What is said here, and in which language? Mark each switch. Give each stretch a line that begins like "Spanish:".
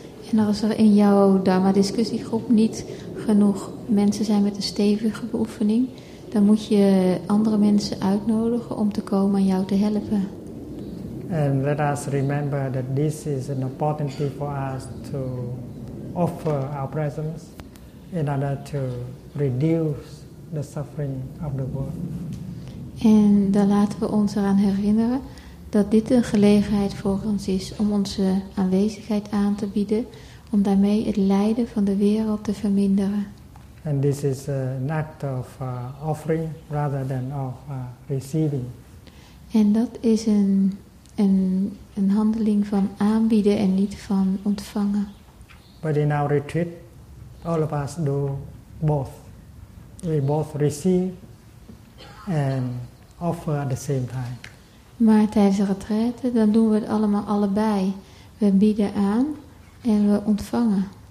Dutch: En als er in jouw Dharma discussiegroep niet genoeg mensen zijn met een stevige beoefening, dan moet je andere mensen uitnodigen om te komen en jou te helpen.
English: And let us remember that this is an opportunity for us to offer our presence in order to reduce the suffering of the world.
Dutch: En dan laten we ons eraan herinneren dat dit een gelegenheid voor ons is om onze aanwezigheid aan te bieden, om daarmee het lijden van de wereld te verminderen.
English: And this is an act of offering rather than of receiving.
Dutch: En dat is een handeling van aanbieden en niet van ontvangen.
English: But in our retreat, all of us do both. We both receive and offer at the same time.
Dutch: Maar tijdens de retraite, dan doen we het allemaal allebei. We bieden aan en we ontvangen.